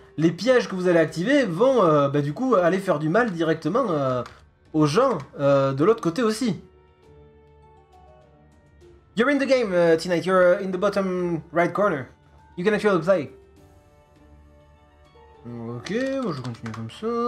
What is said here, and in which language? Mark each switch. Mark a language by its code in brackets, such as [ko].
[fr] Les pièges que vous allez activer vont, du coup, aller faire du mal directement aux gens de l'autre côté aussi. [en] You're in the game tonight. You're in the bottom right corner. You can actually play. [fr] Ok, moi je continue comme ça.